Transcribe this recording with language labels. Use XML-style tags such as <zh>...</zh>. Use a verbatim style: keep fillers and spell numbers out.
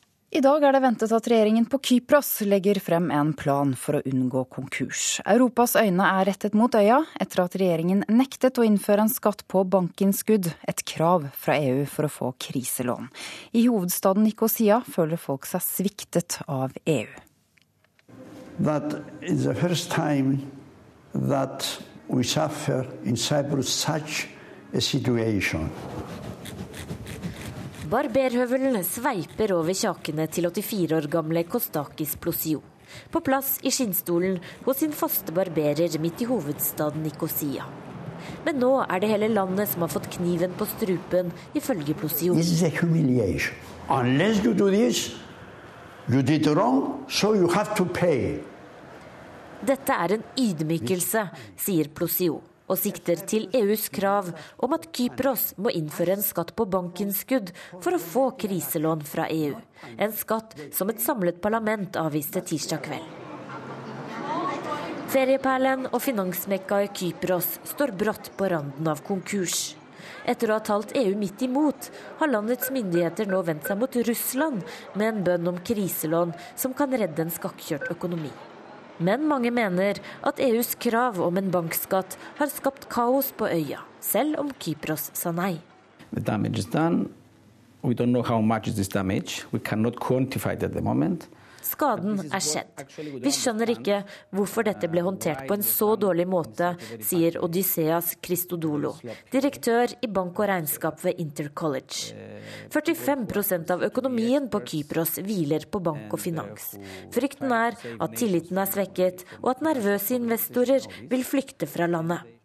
<no>I dag er det ventet at regjeringen på Kypros legger frem en plan for å unngå konkurs. Europas øyne er rettet mot øya etter at regjeringen nektet å innføre en skatt på bankinnskudd, et krav fra E U for å få kriselån. I hovedstaden Nikosia føler folk seg sviktet av E U.</no> <en>That is the first time that we suffer in Cyprus such a situation.</en> <no>Barberhøvelen sveiper over kjakene til åttifire år gamle Kostakis Plosio. På plass i skinnstolen hos sin faste barberer midt i hovedstaden Nikosia. Men nå er det hele landet som har fått kniven på strupen, ifølge Plosio.</no> <en>This is a humiliation. Unless you do this, you did wrong, so you have to pay.</en> <no>Dette er en ydmykelse, sier Plosio, og sikter til E U's krav om at Kypros må innføre en skatt på bankinnskudd for å få kriselån fra E U. En skatt som et samlet parlament avviste tirsdag kveld. Ferieperlen og finansmekka i Kypros står brått på randen av konkurs. Etter å ha talt E U midt imot, har landets myndigheter nå vendt seg mot Russland med en bønn om kriselån som kan redde en skakkjørt økonomi. Men mange mener at E U's krav om en bankskatt har skapt kaos på øya, selv om Kypros sa nei.</no> <en>The damage is done. We don't know how much is this damage. We cannot quantify it at the moment.</en> <no>Skaden er skjedd. Vi skjønner ikke hvorfor dette ble håndtert på en så dårlig måte, sier Odysseas Christodoulou, direktør i bank og regnskap ved Intercollege. førtifem prosent av økonomien på Kypros hviler på bank og finans. Frykten er at tilliten er svekket, og at nervøse investorer vil flykte fra landet.</no>